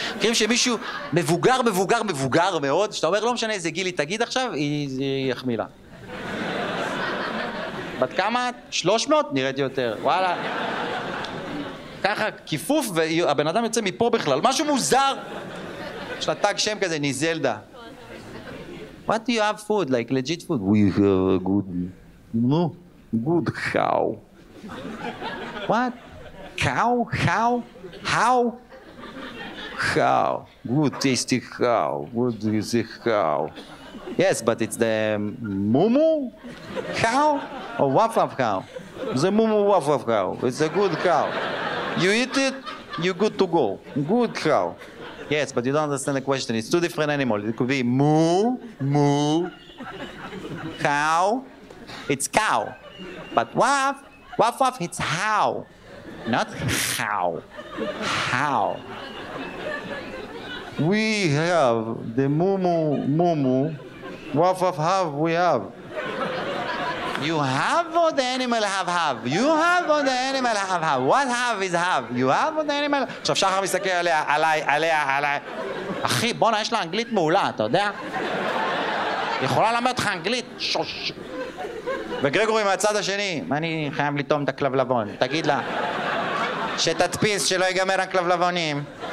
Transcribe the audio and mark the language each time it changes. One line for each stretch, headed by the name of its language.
Hebrew: מכירים שמישהו מבוגר, מבוגר, מבוגר מאוד, שאתה אומר לא משנה איזה גיל היא תגיד עכשיו, היא יחמיא לה. בת כמה? 300? נראית יותר, וואלה. ככה כיפוף, והבן אדם יוצא מפה בכלל, משהו מוזר. יש לה טאג שם כזה, ניזלדה.
English: What do you have food, like legit food? We have a good... No, good cow. What? Cow? How? How? How? Good tasty cow. What is a cow? Yes, but it's the mumu cow? Or waf-waf cow? The mumu waf-waf cow. It's a good cow. You eat it, you're good to go. Good cow. Yes, but you don't understand the question. It's two different animals. It could be moo, moo, cow. It's cow. But waf, waf, waf, it's how. Not how. How. We have the moo, moo, moo, moo. Waf, waf, have, we have. You have or the animal have? You have or the animal have? What have is have? You have or the animal...
Hebrew: עכשיו שחר מסתכל עליה, עליה, עליה, עליה. אחי, בוא נה, יש לה אנגלית מעולה, אתה יודע? יכולה למד אותך אנגלית? שוש. וגרגורי מהצד השני, אני חייב לטעום את הכלבלבון, תגיד לה. שתדפיס שלא ייגמר הכלבלבונים.